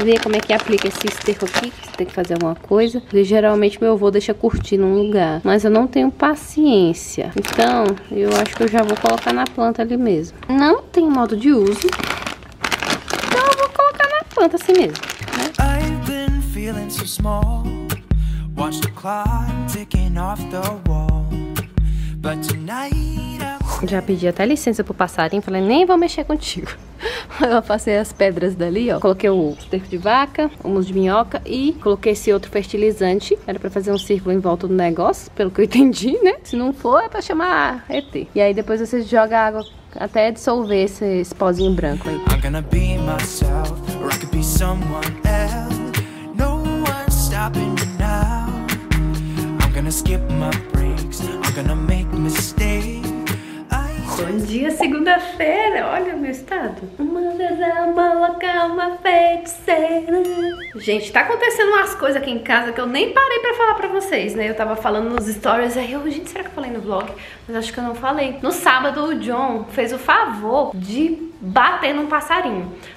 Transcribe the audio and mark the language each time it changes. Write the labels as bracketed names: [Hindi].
[Portuguese] Ver como é que aplica esse esterco aqui. Que você tem que fazer alguma coisa. Porque geralmente meu avô deixa curtir num lugar. Mas eu não tenho paciência. Então, eu acho que eu já vou colocar na planta ali mesmo. Não tem modo de uso. Então eu vou colocar na planta assim mesmo. [English] I've been feeling so small. Watch the clock ticking off the wall. But tonight [Portuguese] já pedi até licença pro passarinho, falei, nem vou mexer contigo. Eu passei as pedras dali, ó. Coloquei o esterco de vaca, o humus de minhoca e coloquei esse outro fertilizante. Era pra fazer um círculo em volta do negócio, pelo que eu entendi, né? Se não for, é pra chamar ET. E aí depois você joga água até dissolver esse pozinho branco aí. [English] I'm gonna be myself, or I could be someone else. No one's stopping me now. I'm gonna skip my breaks, I'm gonna make mistakes. [Portuguese] Bom dia, segunda-feira. Olha o meu estado. Uma vez é uma louca, uma feiticeira. Gente, tá acontecendo umas coisas aqui em casa que eu nem parei pra falar pra vocês, né? Eu tava falando nos stories, aí eu, gente, será que eu falei no vlog? Mas acho que eu não falei. No sábado, o John fez o favor de bater num passarinho.